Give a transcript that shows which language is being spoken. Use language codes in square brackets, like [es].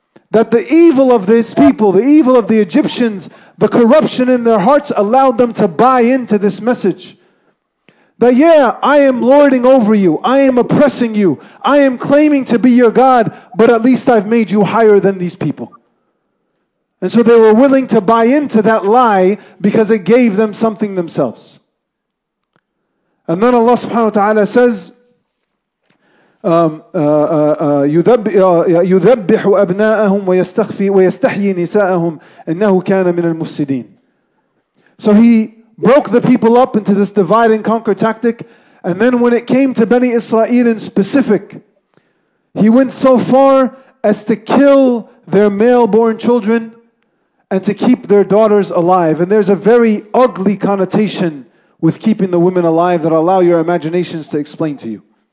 [en] That the evil of this people, the evil of the Egyptians, the corruption in their hearts allowed them to buy into this message. That yeah, I am lording over you, I am oppressing you, I am claiming to be your God, but at least I've made you higher than these people. And so they were willing to buy into that lie because it gave them something themselves. And then Allah subhanahu wa ta'ala says, [ar] يذبح أبناءهم ويستخفي ويستحيي نساءهم إنه كان من المفسدين. [en] So he broke the people up into this divide and conquer tactic, and then when it came to Bani Israel in specific, he went so far as to kill their male-born children and to keep their daughters alive. And there's a very ugly connotation with keeping the women alive that I'll allow your imaginations to explain to you.